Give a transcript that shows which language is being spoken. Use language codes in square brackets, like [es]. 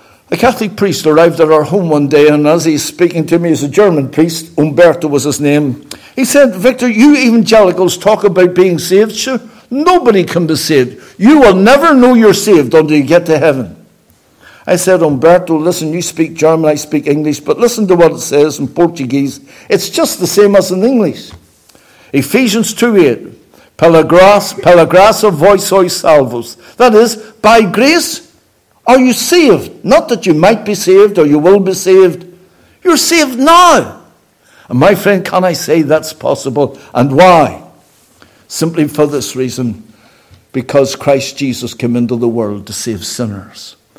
[en] A Catholic priest arrived at our home one day, and as he's speaking to me, as a German priest, Umberto was his name, he said, Victor, you evangelicals talk about being saved. Sure, nobody can be saved. You will never know you're saved until you get to heaven. I said, Umberto, listen, you speak German, I speak English, but listen to what it says in Portuguese. It's just the same as in English. [pt] Ephesians 2:8, pela graça vós sois salvos. [en] That is, by grace are you saved. Not that you might be saved or you will be saved. You're saved now. And my friend, can I say that's possible? And why? Simply for this reason, because Christ Jesus came into the world to save sinners.